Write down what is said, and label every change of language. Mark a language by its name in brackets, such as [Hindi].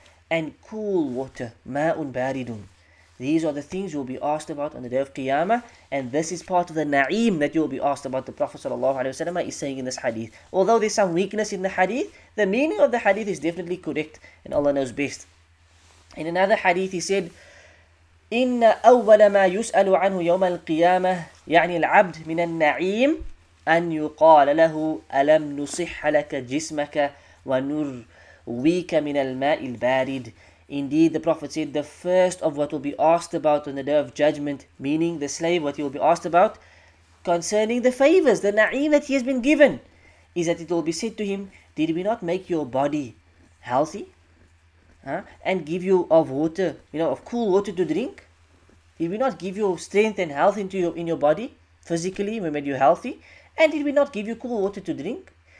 [English] And cool water. [Arabic] Ma'un baridun. [English] These are the things you'll be asked about on the day of Qiyamah. And this is part of the na'im that you'll be asked about. The Prophet ﷺ is saying in this hadith. Although there's some weakness in the hadith, the meaning of the hadith is definitely correct. And Allah knows best. In another hadith, he said, [Arabic] إن أول ما يسأل عنه يوم القيامة يعني العبد من النعيم أن يقال له ألم نصح لك جسمك ونرويك من الماء البارد. [English] Indeed, the Prophet said, the first of what will be asked about on the day of judgment, meaning the slave, what he will be asked about concerning the favors, the na'im that he has been given, is that it will be said to him, did we not make your body healthy? And give you of water, you know, of cool water to drink? Did we not give you strength and health into your body? Physically, we made you healthy. And did we not give you cool water to drink?